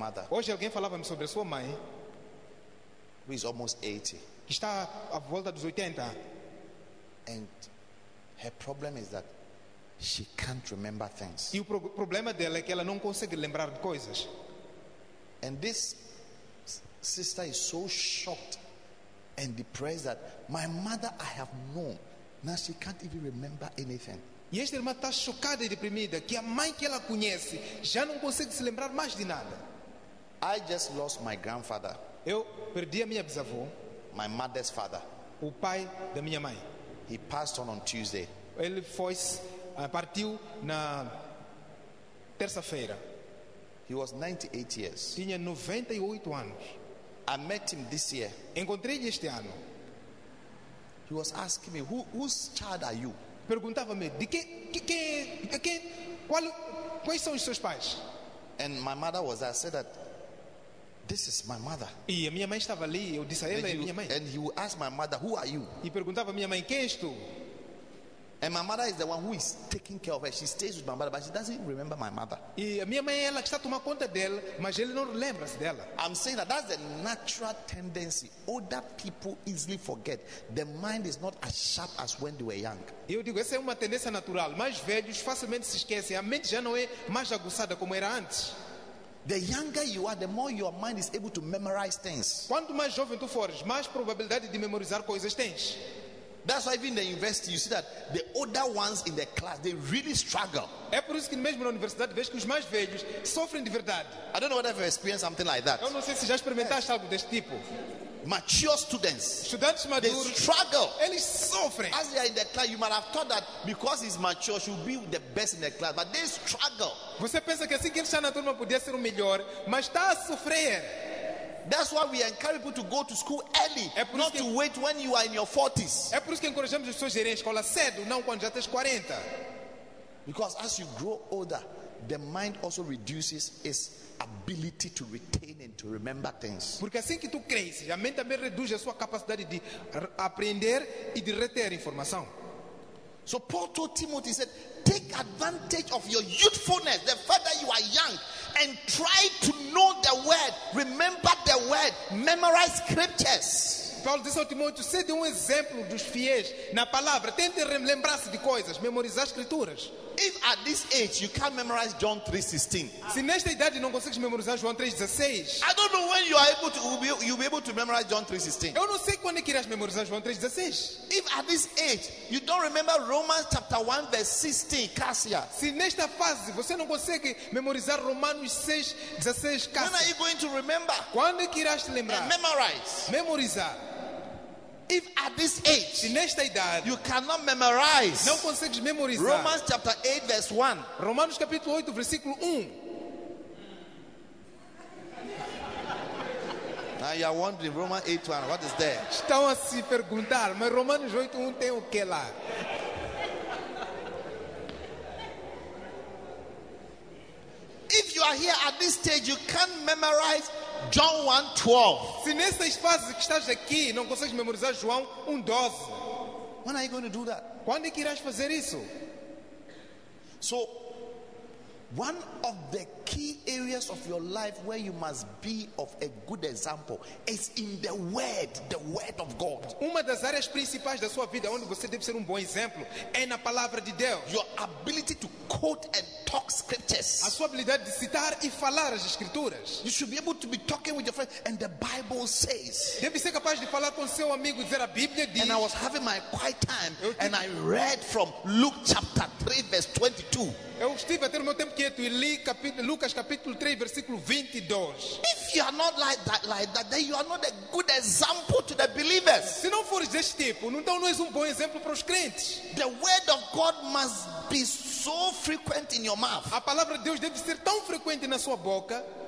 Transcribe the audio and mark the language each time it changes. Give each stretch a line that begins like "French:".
Portuguese: Hoje alguém falava-me sobre a sua mãe,
English: who is almost 80.
Portuguese: Que está à volta dos 80.
English: And her problem is that she can't remember things.
Portuguese: E o problema dela é que ela não consegue lembrar de coisas.
English: And this sister is so shocked and depressed that my mother I have known, now she can't even remember anything.
Portuguese: E esta irmã está chocada e deprimida que a mãe que ela conhece já não consegue se lembrar mais de nada.
English: I just lost my grandfather.
Portuguese: Eu perdi a minha bisavó.
English: My mother's father.
Portuguese: O pai da minha mãe.
English: He passed on Tuesday.
Portuguese: Ele foi, partiu na terça-feira.
English: He was 98 years.
Portuguese: Tinha 98 anos.
English: I met him this year.
Portuguese: Encontrei-lhe este ano.
English: He was asking me, whose child are you?
Portuguese: Perguntava-me de quem, quais são os seus pais?
English: And my mother was there. I said that this is my mother.
Portuguese: E a minha mãe estava ali. Eu disse a ela, minha mãe.
English: And he would ask my mother, who are you?
Portuguese: E perguntava à minha mãe, quem és tu?
English: And my mother is the one who is taking care of her. She stays with my mother, but she doesn't remember my mother.
Portuguese: E a minha mãe é ela que está a tomar conta dela, mas ele não lembra-se dela.
English: I'm saying that that's the natural tendency. Older people easily forget. The mind is not as sharp as when they were young.
Portuguese: Eu digo, essa é uma tendência natural. Mais velhos facilmente se esquecem. A mente já não é mais aguçada como era antes.
English: The younger you are, the more your mind is able to memorize things.
Portuguese: Quanto mais jovem tu fores, mais probabilidade de memorizar coisas tens.
English: That's why even in the university, you see that the older ones in the class, they really struggle.
Portuguese: É por isso que mesmo na universidade vejo que os mais velhos sofrem de verdade.
English: I don't know whether you've experienced something like that.
Portuguese: Eu não sei se já experimentaste algo deste tipo.
English: Mature students.
Portuguese: Estudantes maduros.
English: They struggle.
Portuguese: Eles sofrem.
English: As they are in the class, you might have thought that because he's mature, she'll be the best in the class. But they struggle.
Portuguese: Você pensa que assim que ele está na turma podia ser o melhor, mas está a sofrer.
English: That's why we encourage people to go to school early, not to wait when you are in your 40s.
Portuguese: É por isso que encorajamos as pessoas a irem à escola cedo, não quando já tens 40.
English: Because as you grow older, the mind also reduces its ability to retain and to remember things.
Portuguese: Porque assim que tu cresces, a mente também reduz a sua capacidade de aprender e de reter informação.
English: So Paul told Timothy, said, take advantage of your youthfulness, the fact that you are young, and try to know the word, remember the word, memorize scriptures.
Portuguese: Paulo disse ao Timóteo, sede um exemplo dos fiéis na palavra, tente lembrar-se de coisas, memorizar escrituras.
English: If at this age you can't memorize John 3:16.
Portuguese: Se nesta idade não consegues memorizar João 3:16.
English: I don't know when you are able to you'll be able to memorize John 3:16.
Portuguese: Eu não sei quando é que irás memorizar João 3:16.
English: If at this age you don't remember Romans chapter 1 verse 16, Cassia.
Portuguese: Se nesta fase você não consegue memorizar Romanos 6:16, Cassia.
English: When are you going to remember?
Portuguese: Quando é que irás lembrar?
English: And memorize.
Portuguese: Memorizar.
English: If at this age,
Portuguese: se nesta idade,
English: you cannot memorize,
Portuguese: não consegues memorizar
English: Romans chapter 8 verse 1,
Portuguese: Romanos capítulo 8 versículo 1.
English: Now you are wondering Romans 8 1, what is there?
Portuguese: Estão a se perguntar, mas Romanos 8 1 tem o que lá?
English: If you are here at this stage, you can't memorize John 1:12.
Portuguese: Se nessas fases que estás aqui não consegues memorizar João 1:12.
English: When are you going to do that?
Portuguese: Quando é que irás fazer isso?
English: So, one of the key areas of your life where you must be of a good example is in the word of God.
Portuguese: Uma das áreas principais da sua vida onde você deve ser bom exemplo é na palavra de Deus.
English: Your ability to quote and talk scriptures.
Portuguese: A sua habilidade de citar e falar as escrituras.
English: You should be able to be talking with your friend and the Bible says.
Portuguese: Deve ser capaz de falar com seu amigo e dizer a Bíblia diz.
English: And I was having my quiet time and I read from Luke chapter 3 verse 22.
Portuguese: Eu estive a ter o meu tempo quieto e li Lucas capítulo 3 versículo 22.
English: If you are not like that, then you are not a good example to the believers.
Portuguese: Se não fores deste tipo, então não és bom exemplo para os crentes.
English: The word of God must be so frequent in your mouth.
Portuguese: A palavra de Deus deve ser tão frequente na sua boca.